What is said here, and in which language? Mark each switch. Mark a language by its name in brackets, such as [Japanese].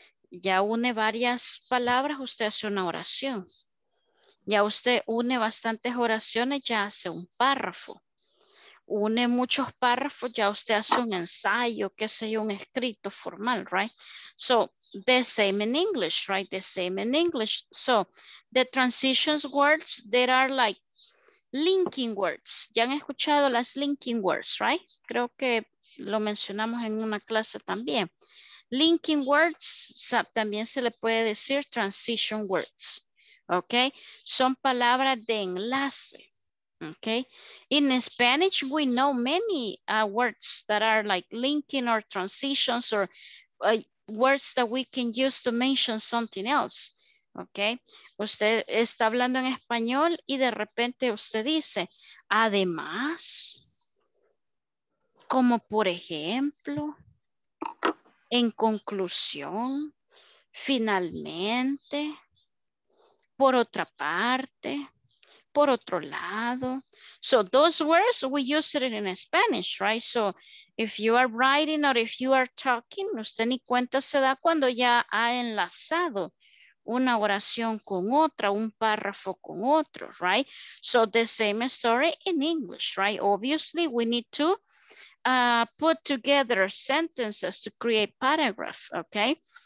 [Spanish] Ya une varias palabras, usted hace una oración. Ya usted une bastantes oraciones, ya hace un párrafo. Une muchos párrafos, ya usted hace un ensayo, qué sé yo, un escrito formal, [English] right? So, the same in English, right? The same in English. So, the transitions words that are like linking words. [Spanish] ¿Ya han escuchado las linking words, [English] right? [Spanish] Creo que lo mencionamos en una clase también. Linking words, también se le puede decir transition words, okay? Son palabras de enlace. [English] Okay, in Spanish, we know many words that are like linking or transitions or words that we can use to mention something else. [Spanish] Okay, usted está hablando en español y de repente usted dice, además, como por ejemplo, en conclusión, finalmente, por otra parte, por otro lado. [English] So those words, we use it in Spanish, right? So if you are writing or if you are talking, [Spanish] usted ni cuenta se da cuando ya ha enlazado una oración con otra, un párrafo con otro, [English] right? So the same story in English, right? Obviously, we need to put together sentences to create paragraph, okay?